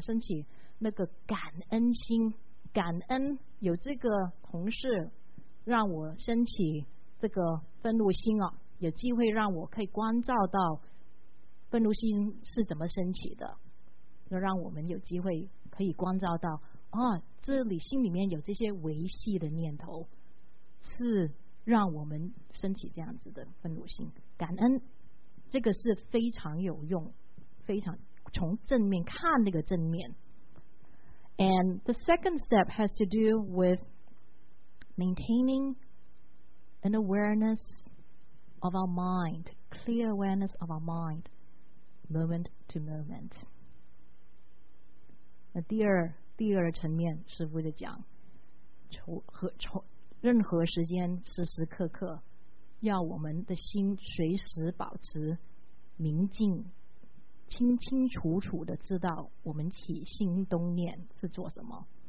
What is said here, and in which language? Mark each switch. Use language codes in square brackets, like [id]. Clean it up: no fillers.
[zh] 升起那个感恩心，感恩有这个同事让我升起这个愤怒心啊，有机会让我可以关照到愤怒心是怎么升起的，要让我们有机会可以关照到啊，这里心里面有这些维系的念头，是让我们升起这样子的愤怒心。感恩，这个是非常有用，非常从正面看那个正面。 [en] And the second step has to do with maintaining an awareness of our mind, clear awareness of our mind, moment to moment. [zh] 那第二层面，师父就讲，从任何时间时时刻刻，要我们的心随时保持明净。清清楚楚的知道我们起心动念是做什么。